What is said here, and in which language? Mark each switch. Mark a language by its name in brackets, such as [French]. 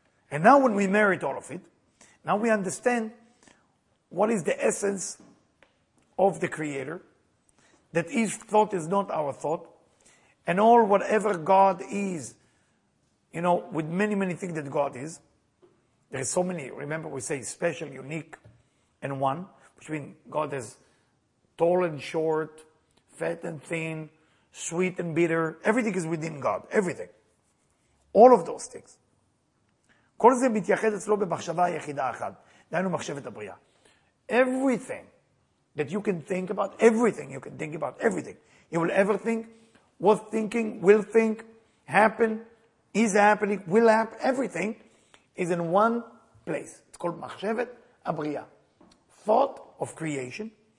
[English] And now when we merit all of it, now we understand what is the essence of the Creator, that His thought is not our thought, and all whatever God is, you know, with many, many things that God is, there are so many, remember we say special, unique, and one, which means God is tall and short, fat and thin, sweet and bitter, everything is within God, everything. All of those things. [Hebrew] כל זה מתייחד אצלו במחשבה היחידה אחת. דיינו מחשבת הבריאה. [English] Everything that you can think about, everything you can think about, everything you will ever think, worth thinking, will think, happen, is happening, will happen, everything is in one place. It's called מחשבת הבריאה. Thought of creation.